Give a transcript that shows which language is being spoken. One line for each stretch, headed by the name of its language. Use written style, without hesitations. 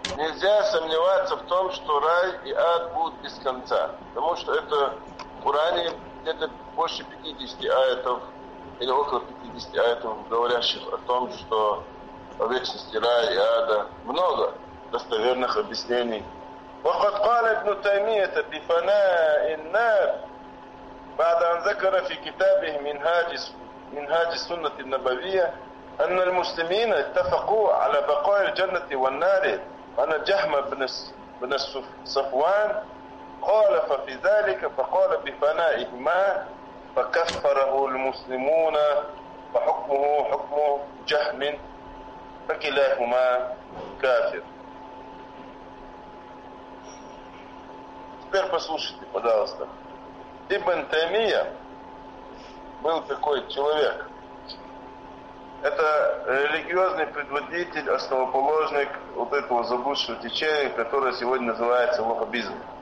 Russian: нельзя сомневаться в том, что рай и ад будут без конца. Потому что это в Коране где-то больше 50 аятов, или около 50 аятов, говорящих о том, что о вечности рая и ада. Много достоверных объяснений.
Arabic: وقد قال ابن تيمية بفناء النار بعد أن ذكر في كتابه منهاج السنة النبوية أن المسلمين اتفقوا على بقاء الجنة والنار وأن جهم بن صفوان خالف في ذلك فقال بفنائهما فكفره المسلمون فحكمه حكم جهم فكلاهما كافر.
Russian: Теперь послушайте, пожалуйста. Ибн Таймия был такой человек. Это религиозный предводитель, основоположник вот этого заблудшего течения, которое сегодня называется ваххабизм.